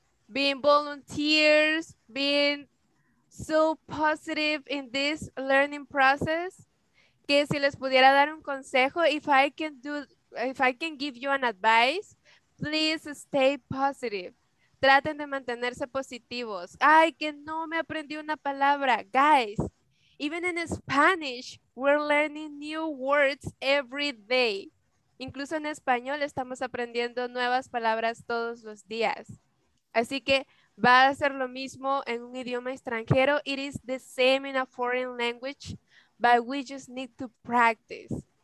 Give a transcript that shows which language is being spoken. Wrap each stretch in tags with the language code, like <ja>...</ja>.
<en>Being volunteers, being so positive in this learning process,</en> <es>que si les pudiera dar un consejo,</es> <en>if I can give you an advice, please stay positive.</en> <es>Traten de mantenerse positivos. Ay, que no me aprendí una palabra.</es> <en>Guys, even in Spanish, we're learning new words every day.</en> <es>Incluso en español estamos aprendiendo nuevas palabras todos los días. Así que va a ser lo mismo en un idioma extranjero.</es> <en>It is the same in a foreign language, but we just need to practice.</en>